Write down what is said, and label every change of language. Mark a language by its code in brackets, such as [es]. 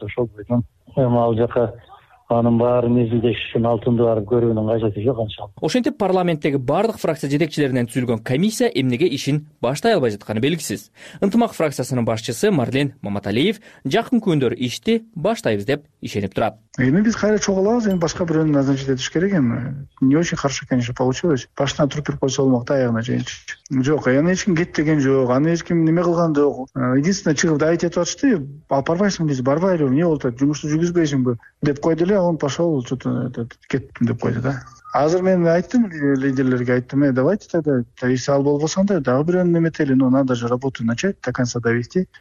[ky] Ошол бойдон эми ал жака анын баарын изилдеш үчүн алтынды барып көрүүнүн кажети жок анчалык. Ошентип парламенттеги баардык фракция жетекчилеринен түзүлгөн комиссия эмнеге ишин баштай албай жатканы белгисиз. Ынтымак фракциясынын башчысы Марлен Маматалиев жакын күндөр ишти баштайбыз деп ишенип турат. Эми биз кайра чогулабыз, эми башка бирөөнүн назначить этиш керек. [ru] Эми не очень хорошо, конечно, получилось. [ky] Башына туруп берип койсо болмок да, аягына чейинчи. Жок, аны эч ким кет деген жок, аны эч ким эме кылган жок. Единственное, чыгып дайыт этип атышты, алып барбайсыңбы бизди, барбайлыбы, эмне болуп атат, жумушту жүргүзбөйсүңбү деп койду эле, [ru] он пошел, что-то [ky] кеттим деп койду да. Азыр мен айттым лидерлерге, айттым, [ru] давайте тогда, если [ky] болбосоң да, дагы бирөөнү эметели, [ru] но надо же работу начать до конца довести.